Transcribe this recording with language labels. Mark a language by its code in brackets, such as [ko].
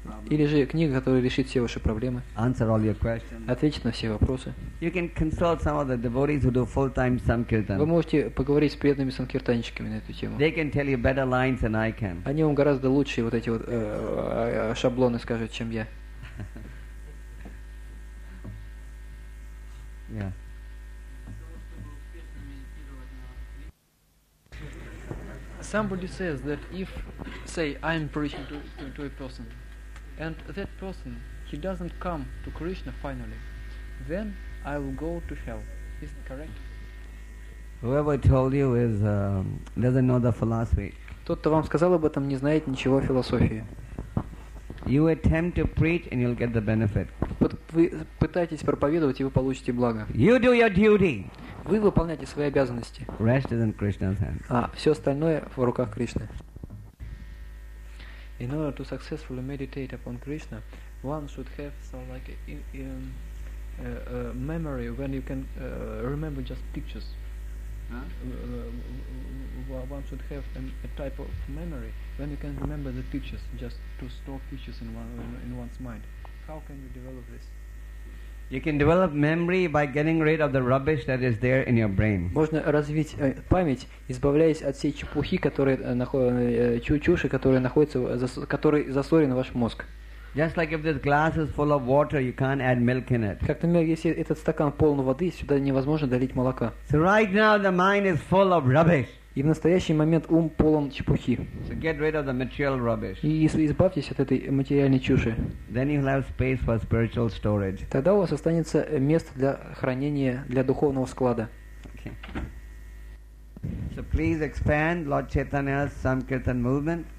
[ru] Или же книга, которая решит все ваши проблемы. [en] Answer all your questions. [ru] Ответит на все вопросы. [en] You can consult some of the devotees who do full-time sankirtan. [ru] Вы можете поговорить с преданными санкиртанщиками на эту тему. [en] They can tell you better lines than I can. [ru] Они вам гораздо лучше вот эти вот шаблоны скажут, чем я. [en] Yeah. Somebody says that if, say, I am preaching to a person, and that person, he doesn't come to Krishna finally, then I will go to hell. Is it correct? Whoever told you is doesn't know the philosophy. [ru] Тот, кто вам сказал об этом, не знает ничего о философии. [en] You attempt to preach and you'll get the benefit. [ru] Вы пытаетесь проповедовать, и вы получите благо. [en] You do your duty. [ru] Вы выполняете свои обязанности. [en] Rest is in Krishna's hands. [ru] А все остальное в руках Кришны. [en] In order to successfully meditate upon Krishna, one should have some like a memory when you can remember just pictures. One should have a type of memory when you can remember the pictures, just to store pictures in one's mind. How can you develop this? You can develop memory by getting rid of the rubbish that is there in your brain. [ru] Можно развить память, избавляясь от всей чепухи, которая засорена в ваш мозг. [en] Just like if this glass is full of water, you can't add milk in it. [ru] Как, например, если этот стакан полон воды, сюда невозможно долить молока. [en] So right now the mind is full of rubbish. [ru] И в настоящий момент ум полон чепухи. [en] So get rid of the material rubbish. [ru] И избавьтесь от этой материальной чуши. [en] Then you'll have space for spiritual storage. [ru] Тогда у вас останется место для хранения, для духовного склада. [en] Okay. So please expand Lord Chaitanya's Sankirtan movement.